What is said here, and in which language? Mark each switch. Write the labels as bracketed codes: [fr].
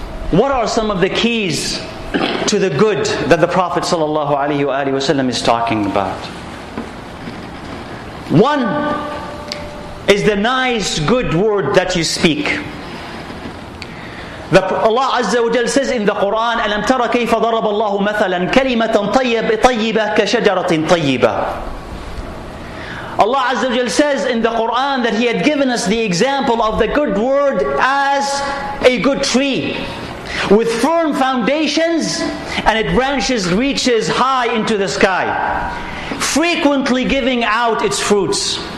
[en] What are some of the keys to the good that the Prophet sallallahu alaihi wasallam is talking about? One is the nice good word that you speak. Allah Azza wa Jal says in the Quran, [ar] أَلَمْ تَرَ كَيْفَ ضَرَبَ اللَّهُ مَثَلًا كَلِمَةً طَيِّبَةً كَشَجَرَةٍ طَيِّبَةً. [en] Allah Azza wa Jal says in the Quran that He had given us the example of the good word as a good tree with firm foundations, and it branches, reaches high into the sky, frequently giving out its fruits.